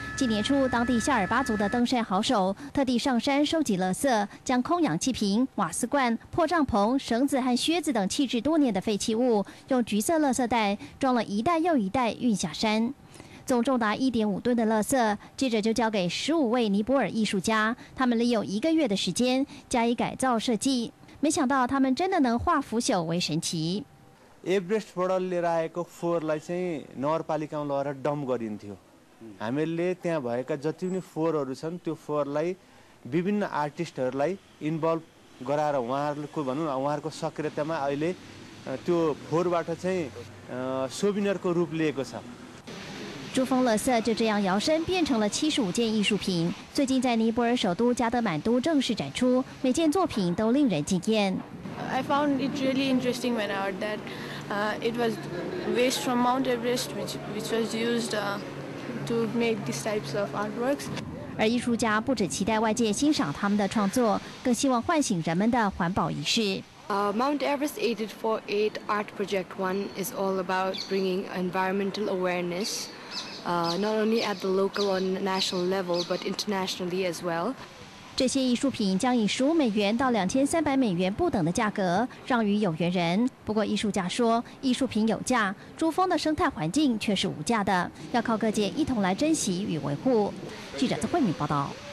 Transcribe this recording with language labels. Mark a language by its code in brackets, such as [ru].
[zh] 今年初，当地夏尔巴族的登山好手特地上山收集垃圾，将空氧气瓶、瓦斯罐、破帐篷、绳子和靴子等弃置多年的废弃物用橘色垃圾袋装了一袋又一袋运下山，总重达1.5吨的垃圾，接着就交给15位尼泊尔艺术家，他们利用一个月的时间加以改造设计，没想到他们真的能化腐朽为神奇。 [ne] Everest portal ले आएको फोहोर लाई चाहिँ नगरपालिकामा लगेर डम्प गरिन्थ्यो। हामीले त्यहाँ भएका जति पनि फोहोरहरू छन् त्यो फोहोरलाई विभिन्न आर्टिस्टहरूलाई इन्भोल्भ गराएर उहाँहरूको भनौँ उहाँहरूको सक्रियतामा अहिले त्यो फोहोरबाट चाहिँ सोभिनियरको रूप लिएको छ। [zh] 珠峰垃圾就这样摇身变成了75件艺术品，最近在尼泊尔首都加德满都正式展出，每件作品都令人惊艳。 [en] I found it really interesting when I heard that it was waste from Mount Everest which was used to make these types of artworks。 [zh] 而艺术家不只期待外界欣赏他们的创作，更希望唤醒人们的环保意识。 [en] Mount Everest 848 Art Project 1 is all about bringing environmental awareness, not only at the local or national level, but internationally as well. [zh] 这些艺术品将以15美元到2300美元不等的价格让与有缘人。不过艺术家说，艺术品有价，珠峰的生态环境却是无价的，要靠各界一同来珍惜与维护。记者曾慧敏报道。